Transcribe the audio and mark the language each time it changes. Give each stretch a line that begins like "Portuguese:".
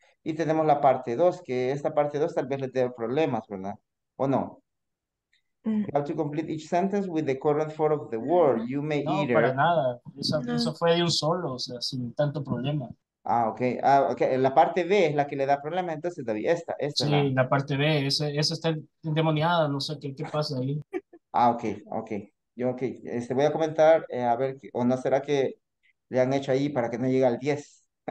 Spanish: Y tenemos la parte 2, que esta parte 2 tal vez le dé problemas, ¿verdad? ¿O no?
English: You have to complete each sentence with the current form of the word. You may no, either.
Spanish: No, para nada. Eso fue de un solo, o sea, sin tanto problema. Ah, okay. La parte B es la que le da problema, entonces, David, esta sí, la parte B, esa está endemoniada, no sé qué pasa ahí. Ah, okay. Voy a comentar, a ver, o no será que le han hecho ahí para que no llegue al 10.